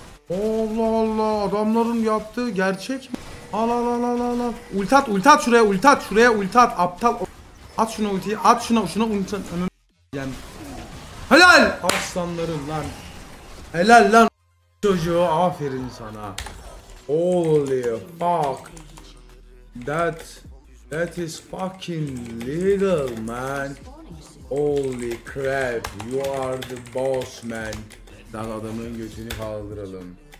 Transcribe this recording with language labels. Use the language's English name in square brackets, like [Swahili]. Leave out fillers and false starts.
[Turkish] Allah Allah, adamların yaptığı gerçek mi? Al. Ult at şuraya, ult at aptal. At şuna ultiyi, at şuna ultan önüne. Helal! Aslanlarım lan. Helal lan çocuğu, aferin sana. [English] Holy fuck. That is fucking legal man. Holy crap, you are the boss man. [Turkish] Lan adamın götünü kaldıralım.